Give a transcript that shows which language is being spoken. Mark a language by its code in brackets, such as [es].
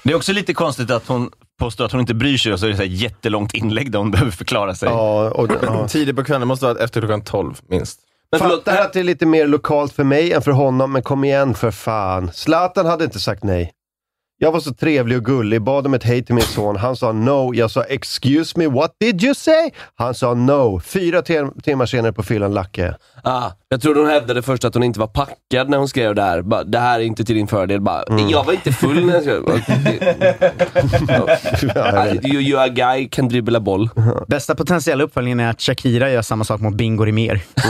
[sv] Det är också lite konstigt att hon påstår att hon inte bryr sig, och så är det så här jättelångt inlägg där hon behöver förklara sig. Ja, tidigt på kvällen måste vara efter klockan 12 minst. Men förlåt, det här är lite mer lokalt för mig än för honom, men kom igen för fan. Zlatan hade inte sagt nej. Jag var så trevlig och gullig, bad om ett hej till min son. Han sa no. Jag sa [en] excuse me, what did you say? [sv] Han sa no. 4 timmar senare på fyllan lacke. Ah, jag tror hon hävdade först att hon inte var packad när hon skrev det här. Bara, det här är inte till din fördel. Bara, jag var inte full när jag skrev det. [en] You a guy can [sv] dribbla boll. Bästa potentiella uppföljningen är att Shakira gör samma sak mot Bingo Rimér.